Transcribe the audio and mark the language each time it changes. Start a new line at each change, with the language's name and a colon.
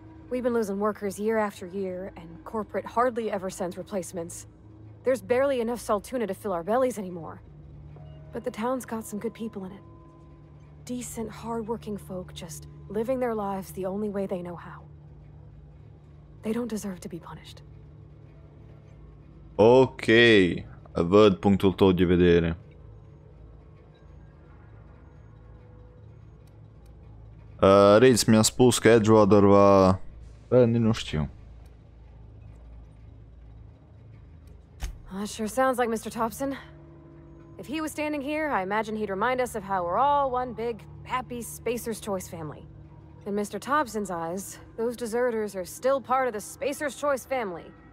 English: We've been losing workers year after year, and corporate hardly ever sends replacements. There's barely enough Saltuna to fill our bellies anymore. But the town's got some good people in it. Decent, hard-working folk just living their lives the only way they know how. They don't deserve to be punished.
Romanian: Ok, văd punctul tău de vedere. Reeds mi-a spus că Edgewater va... nu știu.
English: That sure sounds like Mr. Thompson. If he was standing here, I imagine he'd remind us of how we're all one big, happy Spacer's Choice family. In Mr. Thompson's eyes, those deserters are still part of the Spacer's Choice family.